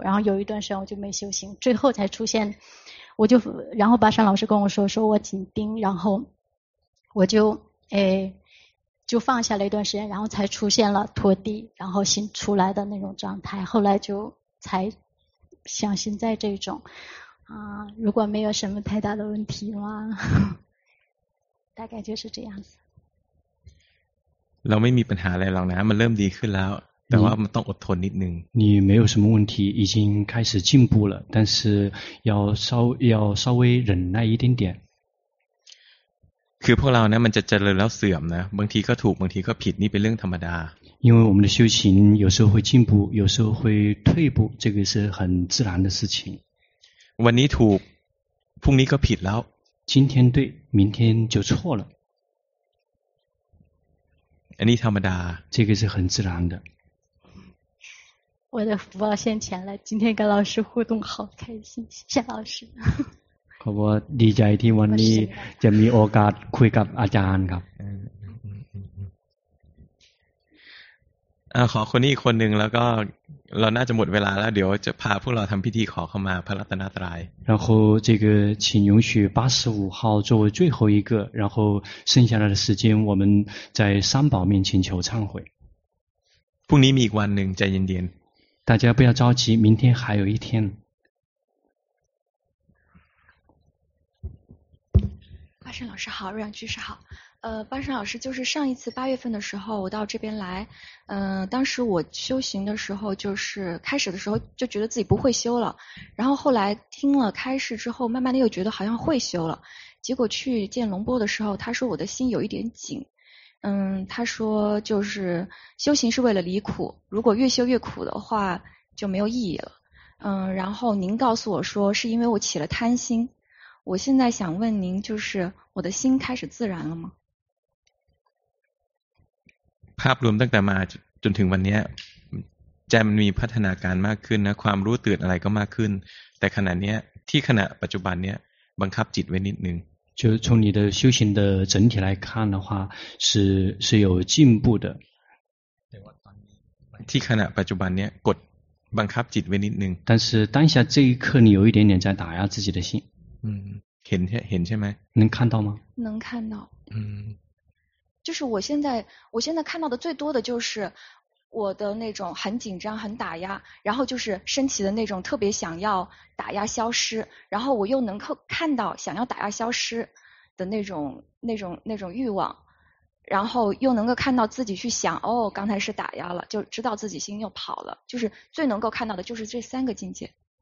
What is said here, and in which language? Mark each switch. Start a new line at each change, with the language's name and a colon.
Chinese: 然后有一段时间我就没修行，最后才出现，我就然后巴山老师跟我说，说我紧盯，然后我就就放下了一段时间，然后才出现了拖地，然后心出来的那种状态。后来就才像现在这种如果没有什么太大的问题吗？大概就是这样子。
Thai: เราไม่มีปัญหาอะไรหรอกนะมันเริ่มดีขึ้นแล้วแต่ว่ามันต้องอดทนนิดนึง
Chinese: 你没有什么问题已经开始进步了但是要稍微忍耐一点点
Thai: คือพวกเรานะมันจะเจริญแล้วเสื่อมนะบางทีก็ถูกบางทีก็ผิดนี่เป็นเรื่องธรรมดา
Chinese: 因为我们的修行有时候会进步有时候会退步这个是很自然的事情
Thai: วันนี้ถูกพรุ่งนี้ก็ผิดแล้ว
Chinese: 今天对明天就错了
Thai: อันนี้ธรรมดา
Chinese: 这个是很自然的我的福报现前了今天跟老师互动好开心谢谢老师
Thai: ขอบคุณดีใจที่วันนี้จะมีโอกาสคุยกับอาจารย์ครับ ขอคนนี้อีกคนหนึ่งแล้วก็เราน่าจะหมดเวลาแล้วเดี๋ยวจะพาพวกเราทำพิธีขอเข้ามาพระรัตนตรัย
Chinese: 然后这个请允许85号作为最后一个然后剩下来的时间我们在三宝面前求忏悔
Thai: พรุ่งนี้มีอีกวันหนึ่งใจเย็น
Chinese: ๆ大家不要着急明天还有一天巴山老师好瑞阳居士好巴山老师就是上一次八月份的时候我到这边来当时我修行的时候就是开始的时候就觉得自己不会修了然后后来听了开示之后慢慢的又觉得好像会修了结果去见龙波的时候他说我的心有一点紧他说就是修行是为了离苦如果越修越苦的话就没有意义了然后您告诉我说是因为我起了贪心我现在想问您就是我的心开始自然了吗
Thai: ภาพรวมตั้งแต่มาจนถึงวันนี้ใจมันมีพัฒนาการมากขึ้นนะความรู้ตื่นอะไรก็มากขึ้นแต่ขณะนี้ที่ขณะปัจจุบันนี้บังคับจิตไว้นิดนึง
Chinese: 就从你的修行的整体来看的话是有进步的
Thai: ที่ขณะปัจจุบันนี้กดบังคับจิตไว้นิดนึง
Chinese: 但是当下这一刻你有一点点在打压自己的心
Thai: เห็นใช่ไหม
Chinese: 能看到吗能看到就是我现在看到的最多的就是我的那种很紧张很打压然后就是升起的那种特别想要打压消失然后我又能够看到想要打压消失的那种欲望然后又能够看到自己去想哦刚才是打压了就知道自己心又跑了就是最能够看到的就是这三个境界